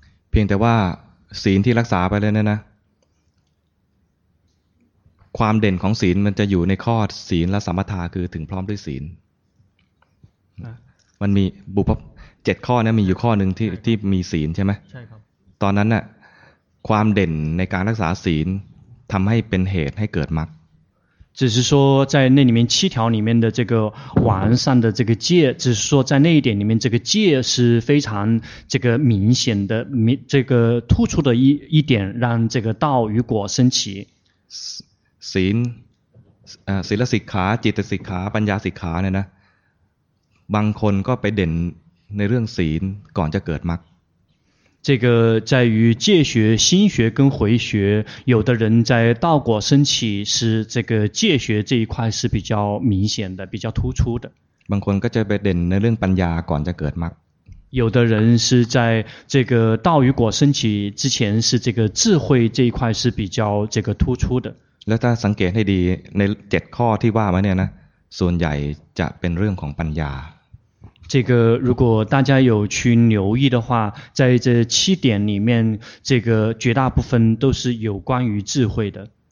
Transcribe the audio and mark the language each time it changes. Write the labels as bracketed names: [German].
[Thai] เพียงแต่ว่าศีลที่รักษาไปแล้วเนี่ยนะความเด่นของศีลมันจะอยู่ในข้อศีลและสมถะคือถึงพร้อมด้วยศีลมันมีบุพเจ็ดข้อนี้มีอยู่ข้อหนึ่งที่มีศีลใช่ไหม ใช่ครับ ตอนนั้นน่ะความเด่นในการรักษาศีลทำให้เป็นเหตุให้เกิดมรรค [Chinese] 只是说在那里面七条里面的这个完善的这个戒只是说在那一点里面这个戒是非常这个明显的这个突出的一点让这个道与果升起 [Thai] ศีลศีลสิกขาจิตสิกขาปัญญาสิกขาเนี่ยนะบางคนก็ไปเด่นในเรื่องศีลก่อนจะเกิดมรรค [Chinese] 这个在于戒学心学跟回学有的人在道果升起是这个戒学这一块是比较明显的比较突出的 [Thai] บางคนก็จะไปเด่นในเรื่องปัญญาก่อนจะเกิดมรรค [Chinese] 有的人是在这个道与果升起之前是这个智慧这一块是比较这个突出的 [Thai] แล้วถ้าสังเกตให้ดีใน7ข้อที่ว่ามาเนี่ยนะส่วนใหญ่จะเป็นเรื่องของปัญญา [Chinese] 这个如果大家有去留意的话在这七点里面这个绝大部分都是有关于智慧的